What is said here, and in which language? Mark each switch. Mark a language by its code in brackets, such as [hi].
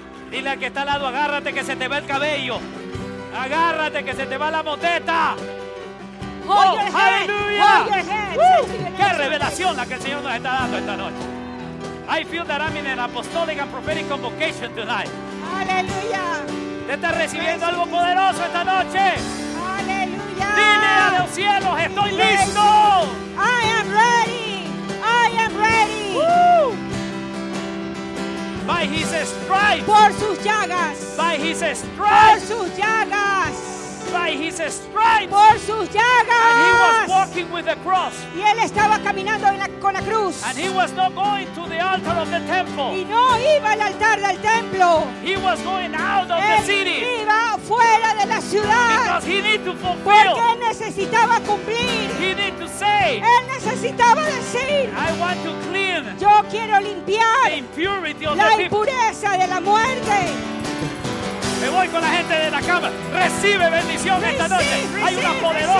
[es] Dile al que está al lado, agárrate que se te va el cabello. Agárrate que se te va la moteta. [en] Hold your head. Hallelujah. Hold your head. [es] Qué revelación la que el Señor nos está dando esta noche. [en] I feel that I'm in an apostolic and prophetic convocation tonight. [es] Aleluya. Te estás recibiendo algo poderoso esta noche. Dile a los cielos, estoy listo. [en] I am ready. I am ready. By his stripes. [es] Por sus llagas. [en] By his stripes. [es] Por sus llagas. [en] By his stripes. [es] Por sus llagas. [en] And he was walking with the cross. [es] Y él estaba caminando con la cruz. [en] And he was not going to the altar of the temple. [es] Y no iba al altar del templo. [en] He was going out of [es] él [en] the city. [es] Iba fuera de la ciudad. [en] Because he need to fulfill. [es] Porque él necesitaba cumplir. [en] He need to say. [es] Él necesitaba decir. [en] I want to clean. [es] Yo quiero limpiar. [en] The impurity of [es] la impureza [en] the [es] de la muerte. Me voy con la gente de la cama. Recibe bendición recibe, esta noche. Recibe, hay una poderosa